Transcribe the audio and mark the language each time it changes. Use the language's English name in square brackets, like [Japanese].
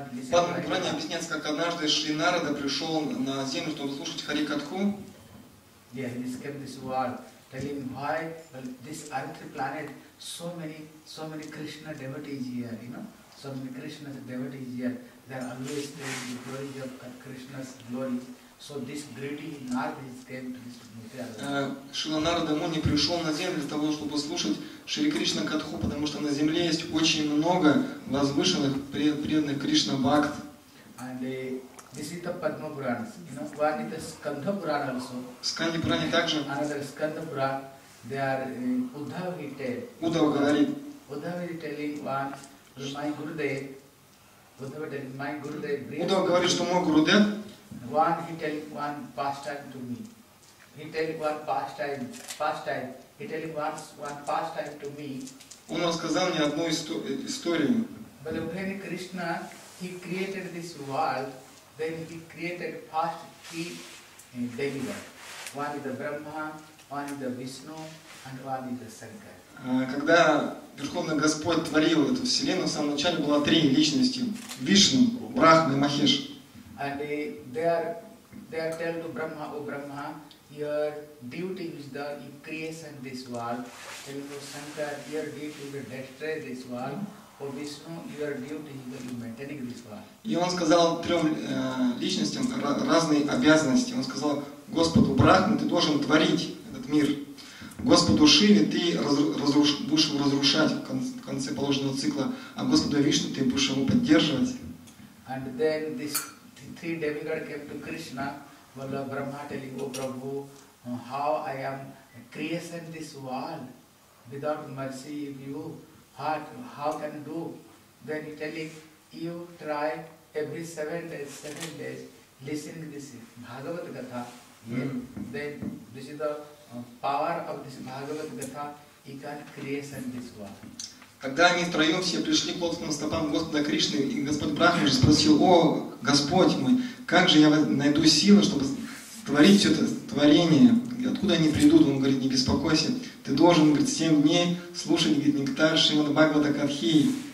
[Russian] Падмапрани объясняет, как однажды Шри Нарада пришел на землю, чтобы слушать Харикатху. [English] Yeah, he came this world, telling why this earthly planet so many Krishna devotees here, you know, so many Krishna devotees here. They are always telling the glory of Krishna's glory. So this greedy Narada came to this material. [Russian] Шрила Нарада Муни пришел на землю для того, чтобы слушать Шри Кришна Катху, потому что на земле есть очень много возвышенных преданных Кришна Бхакт. [English] And this is the Padma Purana, you know, what is the Skandha Purana also. [Russian] Skandha Purana также. [English] Another Skandha Purana, they are Uddhava he tell. [Russian] Uddhava говорит. [English] Uddhava he telling one, my Gurudev. Uddhava tell, my Gurudev brings. [Russian] Uddhava говорит, что мой Гурудев. [English] One he tell one pastime to me. He tell one pastime. He tell one pastime to me. [Russian] Он рассказал мне одну историю. [English] But when Krishna, he created this world, then he created first three demigods. One is the Brahma, one is the Vishnu, and one is the Shankar. [Russian] Когда Верховный Господь творил эту вселенную, в самом начале было три личности: Вишну, Брахма и Махеш. [English] And they are tell to Brahma, O Brahma, your duty is the creation this world. Tell to Shankar, your duty is to destroy this world. О Вишну, your duty is to maintain this world. [Russian] И он сказал трем личностям разные обязанности. Он сказал: Господу Брахме, ты должен творить этот мир. Господу Шиве, ты будешь его разрушать в конце положенного цикла. А Господу Вишну, ты будешь его поддерживать. [English] And then these three demigods came to Krishna. Well, Brahma telling, O Prabhu, how I am creating this world without mercy of you. How can do? Then he telling you try every seven days listening this Bhagavad Gatha. Then this is the power of this Bhagavad Gatha. He can create this world. [Russian] Когда они втроем все пришли к лотосным стопам Господа Кришны, и Господь Брахма же спросил: О, Господь мой, как же я найду силы, чтобы творить все это творение? И откуда они придут? Он говорит: не беспокойся. Ты должен, говорит, 7 дней слушать, говорит, нектар Шримад Бхагавата Кадхи.